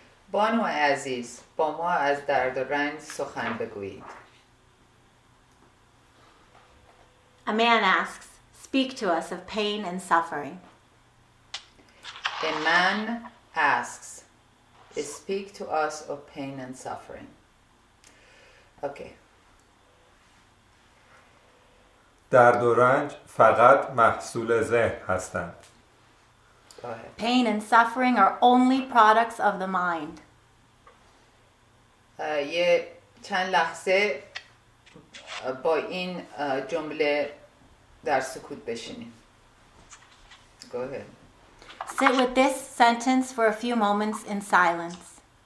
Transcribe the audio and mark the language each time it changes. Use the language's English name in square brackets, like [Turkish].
[Persian] بانو عزیز، با ما از درد و رنج سخن بگویید. [English] A man asks, speak to us of pain and suffering. A man asks, speak to us of pain and suffering. Okay. [Persian] درد و رنج فقط محصول ذهن هستند. [English] Pain and suffering are only products of the mind. [Persian] یه چند لحظه با این جمله در سکوت بشینیم. [English] Go ahead. Sit with this sentence for a few moments in silence.